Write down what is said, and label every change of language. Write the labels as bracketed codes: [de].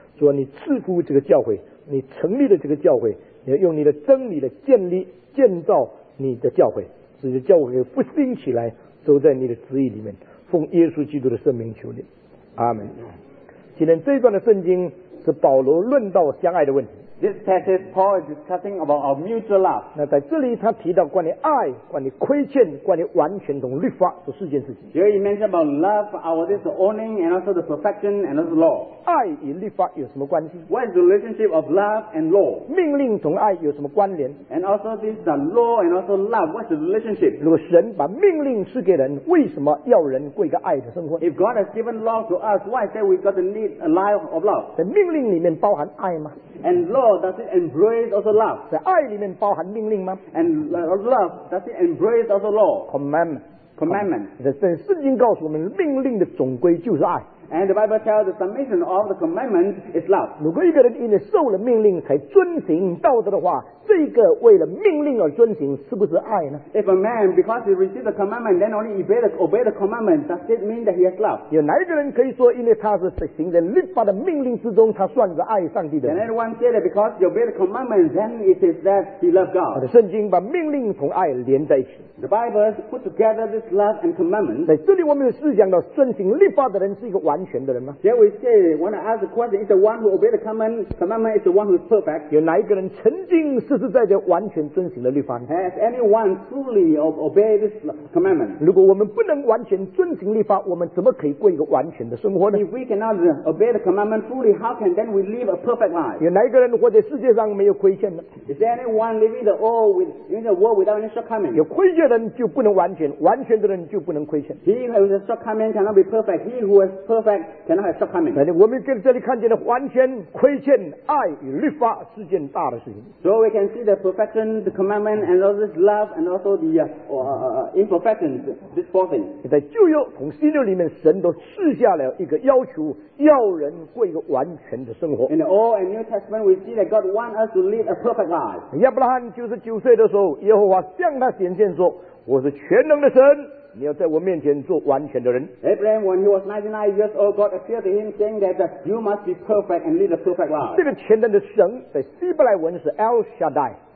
[zh] 主啊，你赐福这个教会，你成立了这个教会，你要用你的真理的建立建造你的教会，使得教会复兴起来，走在你的旨意里面，奉耶稣基督的圣名求你，阿门。今天这一段的圣经是保罗论到相爱的问题。 [en] This passage Paul is discussing about our mutual love. [zh] 那在这里他提到关于爱、关于亏欠、关于完全同律法这四件事情。 [en] Here he mentioned about love, our this owning, and also the perfection and also law. [zh] 爱与律法有什么关系 [en] ？What is the relationship of love and law? [zh] 命令同爱有什么关联 [en] ？And also this the law and also love. What's the relationship? [zh] 如果神把命令赐给人，为什么要人过一个爱的生活 [en] ？If God has given law to us, why say we got to need a life of love? [zh] 在命令里面包含爱吗 [en] ？And law does it embrace also love? [zh] 在爱里面包含命令吗 [en] ？And love does it embrace also law? Commandment. Commandment. [zh] 圣经告诉我们，命令的总归就是爱。 [en] And the Bible tells the summation of the commandment is love. [zh] 如果一个人因为受了命令才遵行道德的话，这个为了命令而遵行，是不是爱呢 [en] ？If a man because he received the commandment, then only obey the commandment, does it mean that he has love? [zh] 有哪一个人可以说，因为他是行在律法的命令之中，他算是爱上帝的 [en] ？Can anyone say that because he obeyed the commandment, then it is that he loves God? [zh] 圣经把命令同爱连在一起。 [en] The Bible put together this love and commandment. [zh] 在这里我们有思想到遵行律法的人是一个完全的人吗 [en] ？Here we say, when I ask the question, is the one who obeyed the commandment is the one who is perfect? [zh] 有哪一个人曾经是？实实在在完全遵行的律法 [en] Has anyone truly obey this commandment? [zh] 如果我们不能完全遵行律法，我们怎么可以过一个完全的生活呢 [en] ？If we cannot obey the commandment fully, how can then we live a perfect life? [zh] 有哪一个人活在世界上没有亏欠呢 [en] ？Is there anyone living the all with in the world without any shortcoming? [zh] 有亏欠的人就不能完全，完全的人就不能亏欠。 [en] He who has shortcoming cannot be perfect. He who is perfect cannot have shortcoming. [zh] 我们在这里看见的完全、亏欠、爱与律法是件大的事情。 [en] So we can. See the perfection, the commandment, and all this love, and also the imperfections. This four things. [zh] 在旧约同新约里面，神都赐下了一个要求，要人过一个完全的生活。 [en] In the Old and New Testament, we see that God wants us to live a perfect life. [zh] 亚伯拉罕99岁的时候，耶和华向他显现说：“我是全能的神。” 你要在我面前做完全的人。 [en] Abraham, when he was 99 years old, God appeared to him, saying that you must be perfect and lead a perfect life. [zh] 这个全能的神在希伯来文是 El Shaddai.